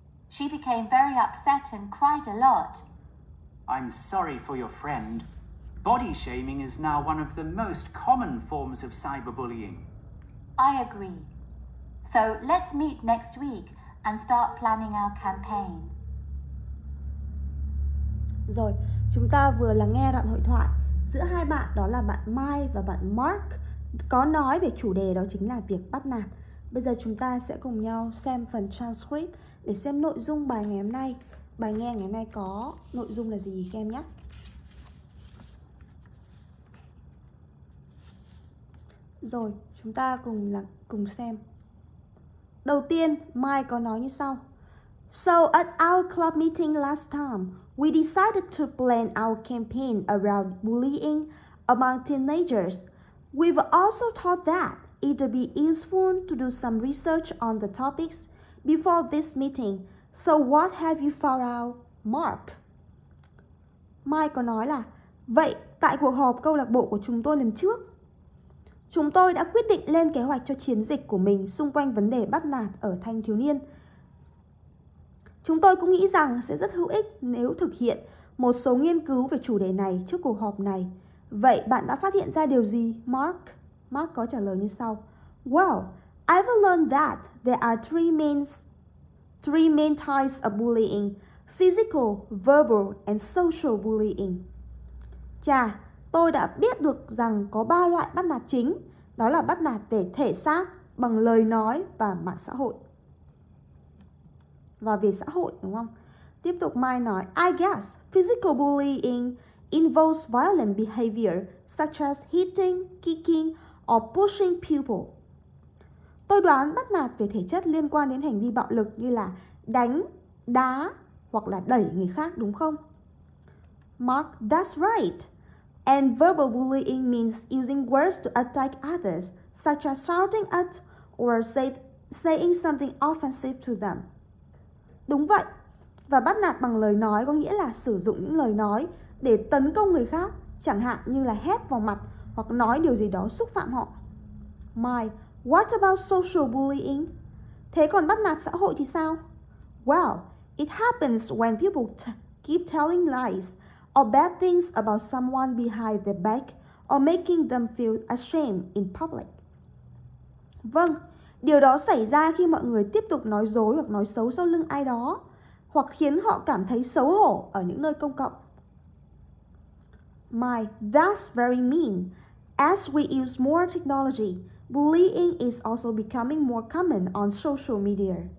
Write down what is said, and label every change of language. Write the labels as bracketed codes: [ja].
[en] She became very upset and cried a lot. I'm sorry for your friend. Body shaming is now one of the most common forms of cyberbullying. I agree. So let's meet next week and start planning our campaign. [vi] Rồi, chúng ta vừa lắng nghe đoạn hội thoại giữa hai bạn, đó là bạn Mai và bạn Mark, có nói về chủ đề đó chính là việc bắt nạt. Bây giờ chúng ta sẽ cùng nhau xem phần transcript để xem nội dung bài ngày hôm nay. Bài nghe ngày nay có nội dung là gì các em nhé. Rồi, chúng ta cùng xem. Đầu tiên, Mai có nói như sau. [en] So at our club meeting last time, we decided to plan our campaign around bullying among teenagers. We've also thought that it'd be useful to do some research on the topics before this meeting. So what have you found out, Mark? [vi] Mai có nói là vậy, tại cuộc họp câu lạc bộ của chúng tôi lần trước, chúng tôi đã quyết định lên kế hoạch cho chiến dịch của mình xung quanh vấn đề bắt nạt ở thanh thiếu niên. Chúng tôi cũng nghĩ rằng sẽ rất hữu ích nếu thực hiện một số nghiên cứu về chủ đề này trước cuộc họp này. Vậy bạn đã phát hiện ra điều gì, Mark? Mark có trả lời như sau. [en] Well, I've learned that there are three main types of bullying: physical, verbal, and social bullying. [vi] Chà, tôi đã biết được rằng có ba loại bắt nạt chính, đó là bắt nạt về thể xác, bằng lời nói và mạng xã hội. Và về xã hội đúng không? Tiếp tục Mai nói, [en] I guess physical bullying involves violent behavior such as hitting, kicking, or pushing people. [vi] Tôi đoán bắt nạt về thể chất liên quan đến hành vi bạo lực như là đánh, đá hoặc là đẩy người khác, đúng không? [en] Mark, that's right. And verbal bullying means using words to attack others, such as shouting at or saying something offensive to them. [vi] Đúng vậy. Và bắt nạt bằng lời nói có nghĩa là sử dụng những lời nói để tấn công người khác, chẳng hạn như là hét vào mặt hoặc nói điều gì đó xúc phạm họ. [en] Mike, What about social bullying? [vi] Thế còn bắt nạt xã hội thì sao? [en] Well, it happens when people keep telling lies or bad things about someone behind their back or making them feel ashamed in public. [vi] Vâng, điều đó xảy ra khi mọi người tiếp tục nói dối hoặc nói xấu sau lưng ai đó, hoặc khiến họ cảm thấy xấu hổ ở những nơi công cộng. [en] My, that's very mean. As we use more technology, bullying is also becoming more common on social media.